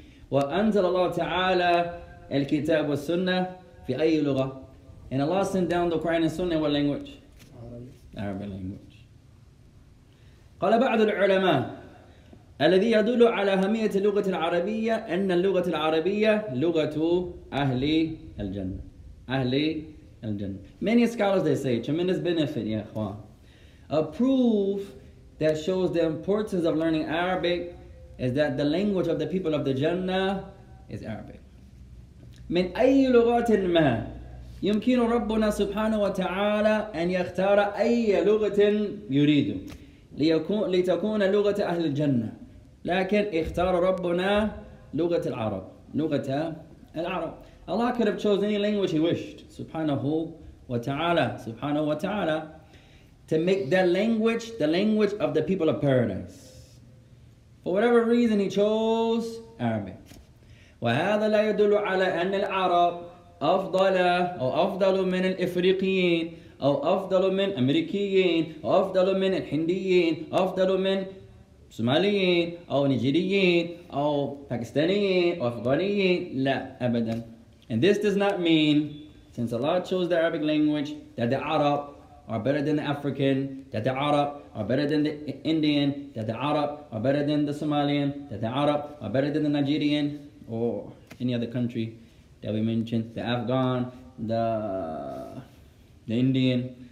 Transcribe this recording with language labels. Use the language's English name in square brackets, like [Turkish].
[Arabic] وأنزل الله تعالى الكتاب والسنة في أي لغة? [English] And Allah sent down the Quran and Sunnah in what language? Arabic. Arabic language. [Arabic] قال بعض العلماء الذي يدل على أهمية اللغة العربية أن اللغة العربية لغة أهل الجنة. أهل الجنة. [English] Many scholars, they say, tremendous benefit, [Arabic] يا إخوان. [English] A proof that shows the importance of learning Arabic is that the language of the people of the Jannah is Arabic. [Arabic] من أي لغة ما يمكن ربنا سبحانه وتعالى أن يختار أي لغة يريد لتكون لغة أهل الجنة. لكن اختار ربنا لغة العرب. لغة العرب. [English] Allah could have chosen any language He wished. [Arabic] سبحانه وتعالى. [English] To make that language the language of the people of paradise. For whatever reason He chose Arabic. [Arabic] وهذا لا يدل على أن العرب أفضل أو أفضل من الإفريقيين أو أفضل من الأمريكيين أو أفضل من الهنديين أو أفضل من الصوماليين أو النيجيريين أو الباكستانيين أو الأفغانيين. لا أبدا. [English] And this does not mean, since Allah chose the Arabic language, that the Arab are better than the African, that the Arab are better than the Indian, that the Arab are better than the Somalian, that the Arab are better than the Nigerian or any other country that we mentioned, the Afghan, the Indian.